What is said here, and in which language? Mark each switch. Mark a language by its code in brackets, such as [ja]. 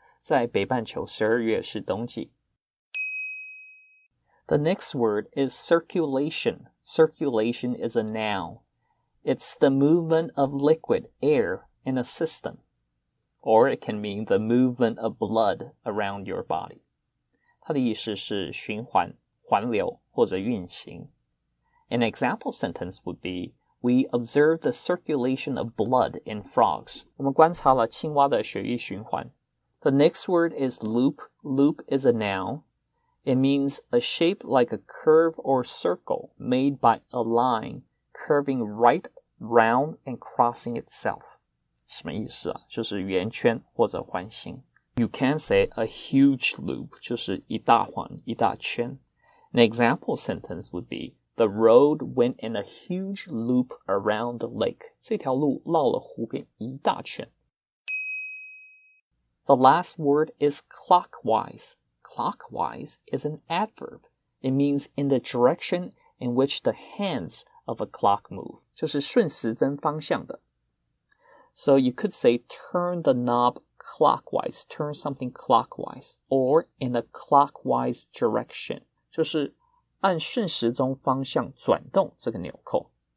[zh] 在北半球12月是冬季。 [en] The next word is circulation. Circulation is a noun. It's the movement of liquid air in a system. Or it can mean the movement of blood around your body. [zh] 它的意思是循环、环流或者运行。 [en] An example sentence would be, we observed the circulation of blood in frogs. [zh] 我们观察了青蛙的血液循环。 [en] The next word is loop. Loop is a noun. It means a shape like a curve or circle made by a line curving right round and crossing itself. [zh] 什么意思啊？就是圆圈或者环形。 [en] You can say a huge loop, [zh] 就是一大环一大圈。 [en] An example sentence would be, the road went in a huge loop around the lake. [zh] 这条路绕了湖边一大圈。 [en] The last word is clockwise. Clockwise is an adverb. It means in the direction in which the hands of a clock move. [zh] 就是顺时针方向的。 [en] So you could say turn the knob clockwise, turn something clockwise, or in a clockwise direction. [zh] 就是按顺时钟方向转动这个纽扣。